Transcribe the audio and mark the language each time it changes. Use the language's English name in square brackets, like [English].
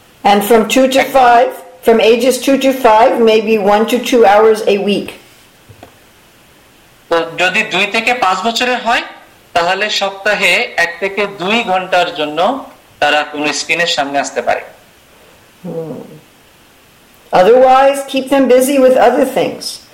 [English] And from 2 to 5, from ages 2 to 5, maybe 1 to 2 hours a week. [Bangla] তো যদি 2 থেকে 5 বছরের হয় তাহলে সপ্তাহে 1 থেকে 2 ঘন্টার জন্য তারা কোনো স্ক্রিনের সামনে আসতে পারে. [English] Otherwise, keep them busy with other things.